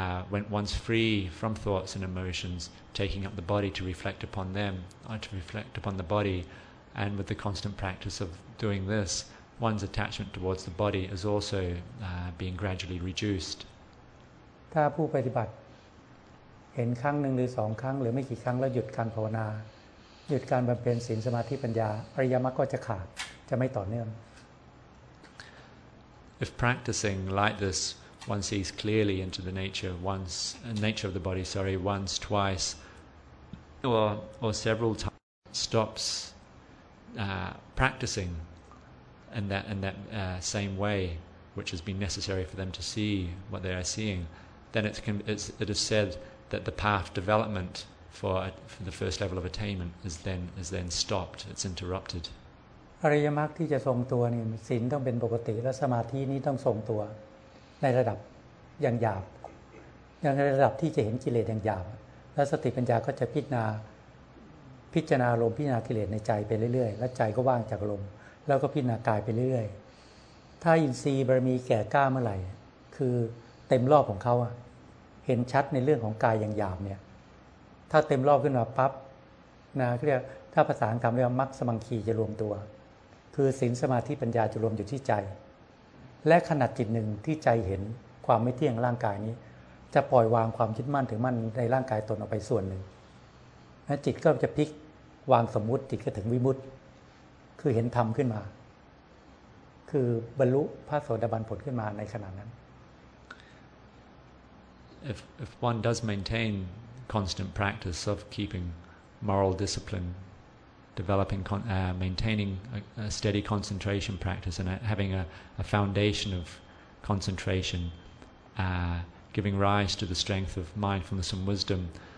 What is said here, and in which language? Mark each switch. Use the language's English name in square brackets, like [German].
[English] went once free from thoughts and emotions, taking up the body to reflect upon them, or to reflect upon the body, and with the constant practice of doing this, one's attachment towards the body is also being gradually reduced. [Thai] ถ้าผู้ปฏิบัติเห็นครั้งหนึ่งหรือสองครั้งหรือไม่กี่ครั้งแล้วหยุดการภาวนาหยุดการบำเพ็ญศีลสมาธิปัญญาอริยมรรคก็จะขาดจะไม่ต่อเนื่อง [English] If practicing like this, one sees clearly into the nature of the body. Sorry, once, twice, or several times, stops practicing in that same way, which has been necessary for them to see what they are seeing. Then it is said that the path development for the first level of attainment is then stopped. It's interrupted. [Thai] อริยมรรคที่จะทรงตัวนี่ศีลต้องเป็นปกติและสมาธินี้ต้องทรงตัวในระดับอย่างหยาบอย่างในระดับที่จะเห็นกิเลสอย่างหยาบและสติปัญญาก็จะพิจ ารณาอารมณ์พิจารณากิเลสในใจไปเรื่อยๆและใจก็ว่างจากอารมณ์แล้วก็พิจารณากายไปเรื่อยๆถ้าอินทรีย์บารมีแก่กล้าเมื่อไหร่คือเต็มรอบของเขาเห็นชัดในเรื่องของกายอย่างหยาบเนี่ยถ้าเต็มรอบขึ้นมาปั๊บนะเรียกถ้าภาษาอังกฤษเรียกว่ามรรคสมังคีจะรวมตัวคือศีลสมาธิปัญญาจะรวมอยู่ที่ใจ และขณะจิตหนึ่งที่ใจเห็นความไม่เที่ยงร่างกายนี้จะปล่อยวางความยึดมั่นถือมั่นในร่างกายตนออกไปส่วนหนึ่งแล้วจิตก็จะพลิกวางสมมุติจิตก็ถึงวิมุตติคือเห็นธรรมขึ้นมาคือบรรลุพระโสดาบันผลขึ้นมาในขณะนั้น [English] if one does maintain constant practice of keeping moral disciplineDeveloping, maintaining a steady concentration practice, and having a foundation of concentration, giving rise to the strength of mindfulness and wisdom.